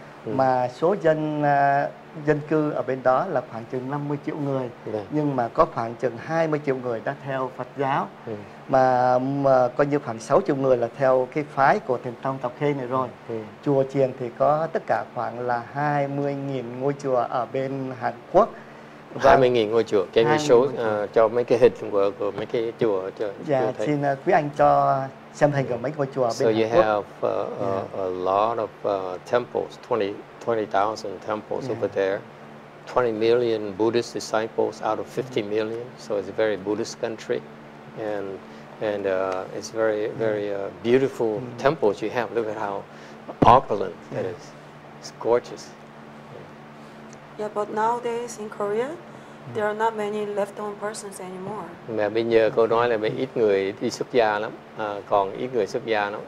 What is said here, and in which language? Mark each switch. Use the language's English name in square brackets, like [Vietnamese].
[Vietnamese] Mà số dân cư ở bên đó là khoảng chừng 50 triệu người, nhưng mà có khoảng chừng 20 triệu người đã theo Phật giáo, mà coi như khoảng 6 triệu người là theo cái phái của Thiền Tông Tào Khê này rồi. Chùa chiền thì có tất cả khoảng là 20.000 ngôi chùa ở bên Hàn Quốc, 20.000 ngôi chùa, cái 20, số cho mấy cái hình của mấy cái chùa cho. Dạ, xin quý anh cho xem hình của mấy ngôi chùa bên [English] Hàn Quốc. So you have a lot of temples, 20,000 temples over there. 20 million Buddhist disciples out of 50 million, so it's a very Buddhist country, and it's very very beautiful temples you have. Look at how opulent that is. It's gorgeous. Yeah, but nowadays in Korea, there are not many left-home persons anymore. [Vietnamese] Mà bây giờ cô nói là bây ít người đi xuất gia lắm, còn ít người xuất gia lắm.